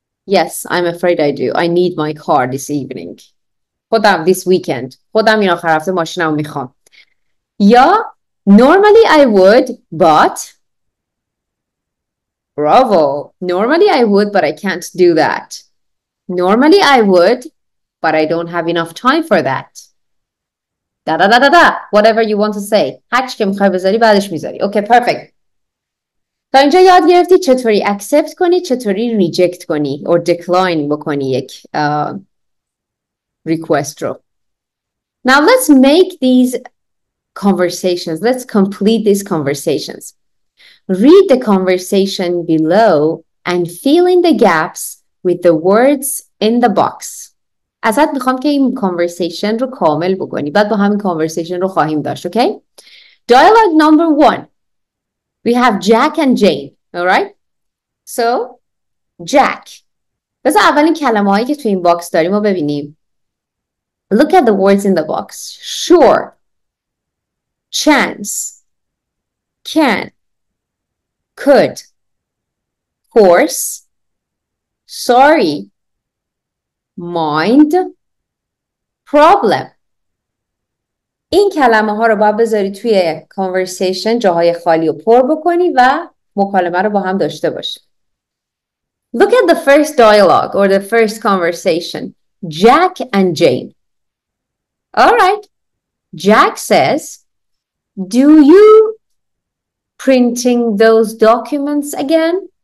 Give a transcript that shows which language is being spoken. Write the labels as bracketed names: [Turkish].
[English] Yes, I'm afraid I do. I need my car this evening. [Persian] خودم [English] this weekend. [Persian] خودم این آخر هفته ماشینم میخوام. [English] Normally I would, but Bravo. Normally I would, but I can't do that. Normally I would, but I don't have enough time for that. Da da da da da. Whatever you want to say. [Persian] هرچی که میخوای بذاری بعدش میذاری. [English] Okay, perfect. [Persian] تا اینجا یاد گرفتی چطوری accept کنی، چطوری reject کنی or decline بکنی یک request رو. [English] Now let's make these conversations. Let's complete these conversations. Read the conversation below and fill in the gaps with the words in the box. [Persian] ازت میخوام که این conversation رو کامل بکنی. بعد با همین conversation رو خواهیم داشت. [English] Okay? Dialogue number one. We have Jack and Jane. All right? So, Jack. [Persian] بذار اولین کلمه هایی که تو این باکس داریم رو ببینیم. [English] Look at the words in the box. Sure. Chance. Can. Could. Course. Sorry. Mind. Problem. [Persian] این کلمه ها رو باید بذاری توی conversation، جاهای خالی رو پر بکنی و مکالمه رو با هم داشته باشی. [English] Look at the first dialogue or the first conversation. Jack and Jane. All right. Jack says, "Do you printing those documents again?"